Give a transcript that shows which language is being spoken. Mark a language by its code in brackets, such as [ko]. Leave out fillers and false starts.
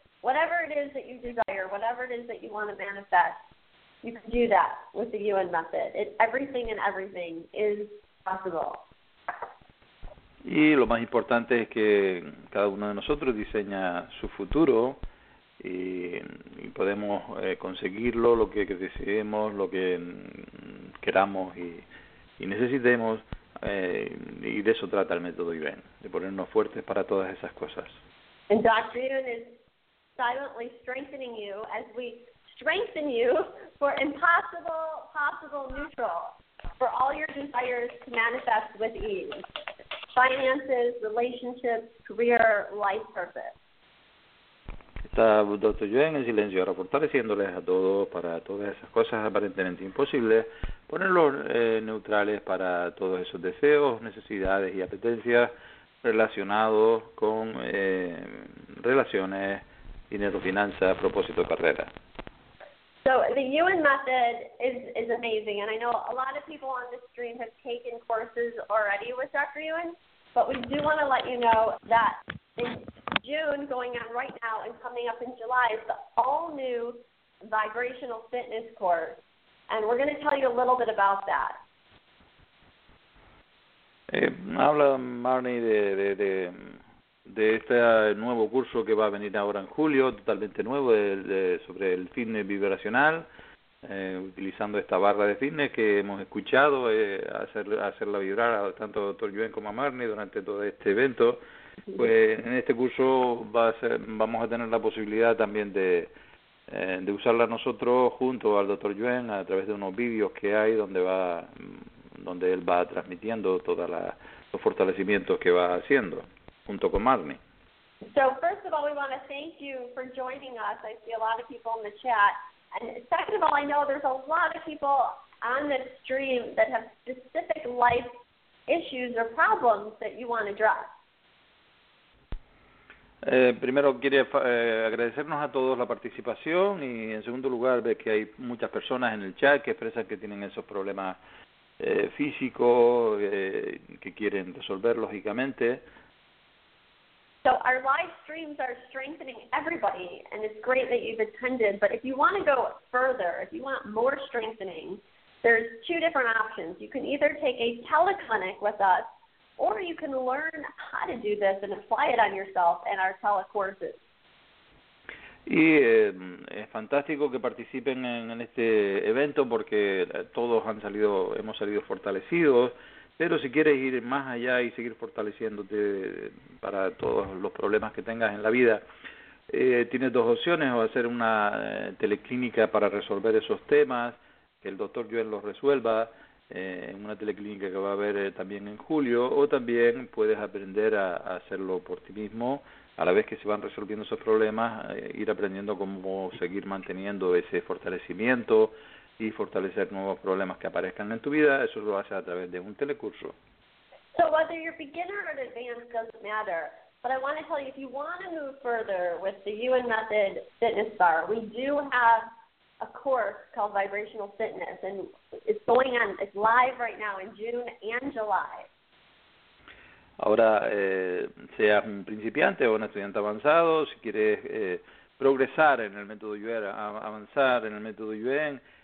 [en] Whatever it is that you desire, whatever it is that you want to manifest, you can do that with the UN method. Everything and everything is possible. [es] Y lo más importante es que cada uno de nosotros diseña su futuro y podemos conseguirlo, lo que deseemos, lo que queramos y necesitemos, y de eso trata el método Yuen, de ponernos fuertes para todas esas cosas. [en] And Dr. Yuen is silently strengthening you as we strengthen you for impossible, possible neutral, for all your desires to manifest with ease. Finances, relationships, career, life purpose. [es] Está Dr. Yuen en silencio ahora fortaleciéndoles a todos para todas esas cosas aparentemente imposibles, ponerlos neutrales para todos esos deseos, necesidades y apetencias relacionados con relaciones, dinero, finanzas, propósito, carrera. [en] So the UN method is amazing, and I know a lot of people on the stream have taken courses already with Dr. Yuen, but we do want to let you know that in June, going on right now, and coming up in July, is the all-new vibrational fitness course. And we're going to tell you a little bit about that. [es] Habla Marnie de este nuevo curso que va a venir ahora en julio, totalmente nuevo, sobre el fitness vibracional, utilizando esta barra de fitness que hemos escuchado, hacerla vibrar a tanto Dr. Yuen como a Marnie durante todo este evento. Pues en este curso vamos a tener la posibilidad también de usarla nosotros junto al Dr. Yuen a través de unos vídeos que hay donde él va transmitiendo todos los fortalecimientos que va haciendo junto con Marnie. [en] So first of all, we want to thank you for joining us. I see a lot of people in the chat. And second of all, I know there's a lot of people on the stream that have specific life issues or problems that you want to address. [es] Primero quiere agradecernos a todos la participación y en segundo lugar ve que hay muchas personas en el chat que expresan que tienen esos problemas físicos que quieren resolver lógicamente. [en] So our live streams are strengthening everybody and it's great that you've attended, but if you want to go further, if you want more strengthening, there's two different options. You can either take a teleclinic with us or you can learn how to do this and apply it on yourself in our telecourses. [es] Y es fantástico que participen en este evento porque todos hemos salido fortalecidos, pero si quieres ir más allá y seguir fortaleciéndote para todos los problemas que tengas en la vida, tienes dos opciones: o hacer una teleclínica para resolver esos temas, que el Dr. Yuen los resuelva, en una teleclínica que va a haber también en julio, o también puedes aprender a hacerlo por ti mismo, a la vez que se van resolviendo esos problemas, ir aprendiendo cómo seguir manteniendo ese fortalecimiento y fortalecer nuevos problemas que aparezcan en tu vida. Eso lo haces a través de un telecurso. [en] So whether you're beginner or advanced doesn't matter. But I want to tell you, if you want to move further with the UN Method Fitness Bar, we do have a course called Vibrational Fitness, and it's going on, it's live right now in June and July. [es] Ahora, seas un principiante o un estudiante avanzado, si quieres progresar en el método UN, avanzar en el método UN,